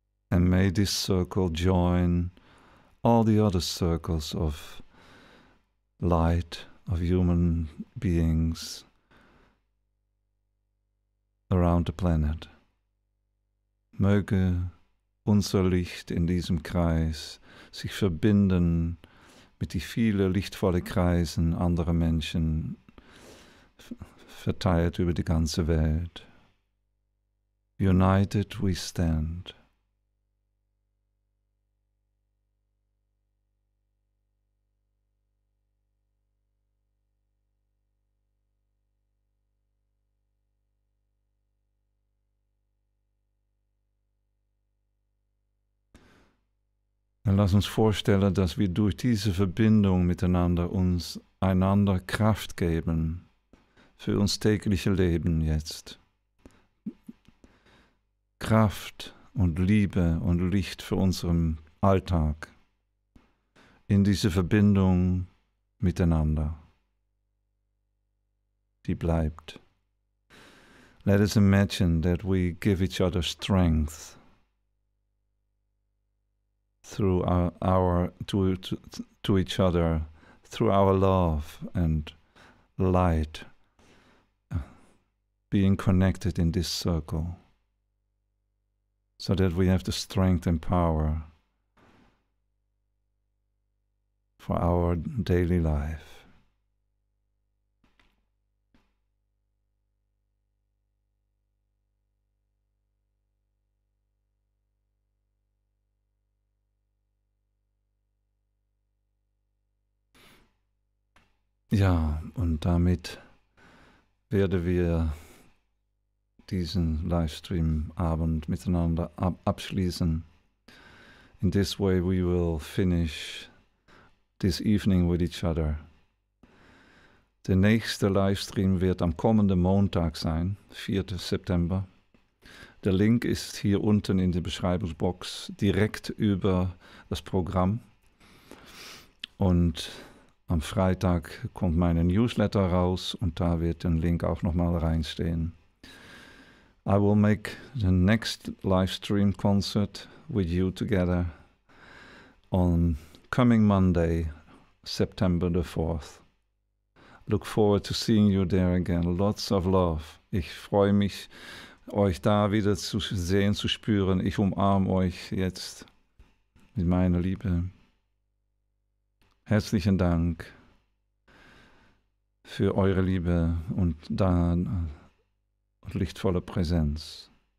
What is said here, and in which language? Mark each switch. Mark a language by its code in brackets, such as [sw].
[en] And may this circle join all the other circles of light, of human beings around the planet. [de] Möge unser Licht in diesem Kreis sich verbinden mit die vielen lichtvollen Kreisen anderer Menschen, verteilt über die ganze Welt. [en] United we stand. [de] Dann lass uns vorstellen, dass wir durch diese Verbindung miteinander uns einander Kraft geben für uns tägliche Leben jetzt. Kraft und Liebe und Licht für unseren Alltag in diese Verbindung miteinander, die bleibt. [en] Let us imagine that we give each other strength through our each other, through our love and light, being connected in this circle, so that we have the strength and power for our daily life. [de] Ja, und damit werden wir diesen Livestream-Abend miteinander abschließen. [en] In this way we will finish this evening with each other. [de] Der nächste Livestream wird am kommenden Montag sein, 4. September. Der Link ist hier unten in der Beschreibungsbox, direkt über das Programm. Und am Freitag kommt meine Newsletter raus und da wird ein Link auch nochmal reinstehen. [en] I will make the next live stream concert with you together on coming Monday, September the 4th. Look forward to seeing you there again. Lots of love. [de] Ich freue mich, euch da wieder zu sehen, zu spüren. Ich umarme euch jetzt mit meiner Liebe. Herzlichen Dank für eure Liebe und deine lichtvolle Präsenz.